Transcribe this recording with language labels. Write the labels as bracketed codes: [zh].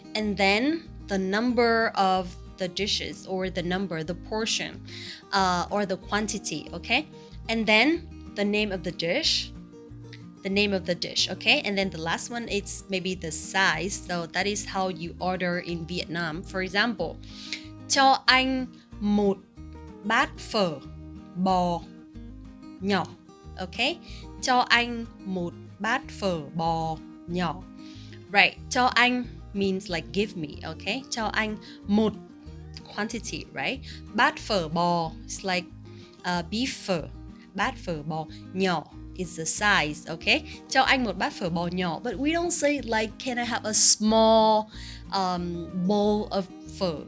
[en] And then the number of the dishes or the number, the portion or the quantity, okay? And then the name of the dish. The name of the dish, okay? And then the last one, it's maybe the size. So that is how you order in Vietnam. For example, [vi] cho anh một bát phở bò nhỏ, [en] okay? [vi] Cho anh một bát phở bò nhỏ. [en] Right, [vi] cho anh [en] means like give me, okay? [vi] Cho anh một [en] quantity, right? [vi] Bát phở bò [en] is like beef [vi] phở. Bát phở bò nhỏ [en] is the size, okay? [vi] Cho anh một bát phở bò nhỏ. [en] But we don't say like, can I have a small bowl of pho?